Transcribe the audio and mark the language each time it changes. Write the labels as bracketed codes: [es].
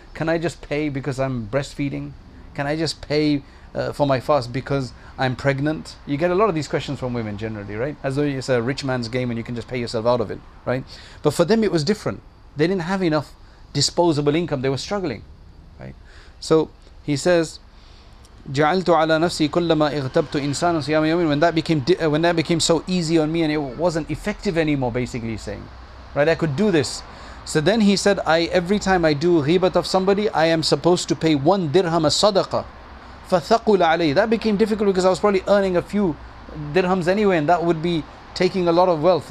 [en] Can I just pay because I'm breastfeeding? Can I just pay for my fast because I'm pregnant? You get a lot of these questions from women generally, right? As though it's a rich man's game and you can just pay yourself out of it, right? But for them it was different. They didn't have enough disposable income. They were struggling, right? [ar] So he says, جَعَلْتُ عَلَىٰ نَفْسِي كُلَّمَا اِغْتَبْتُ إِنسَانًا صِيَامَ يَوْمٍ. [en] When that became so easy on me and it wasn't effective anymore, basically saying, right, I could do this. So then he said, every time I do ghibat of somebody, I am supposed to pay one dirham a sadaqah. [ar] فَثَقُلَ عَلَيْهِ. [en] That became difficult because I was probably earning a few dirhams anyway and that would be taking a lot of wealth.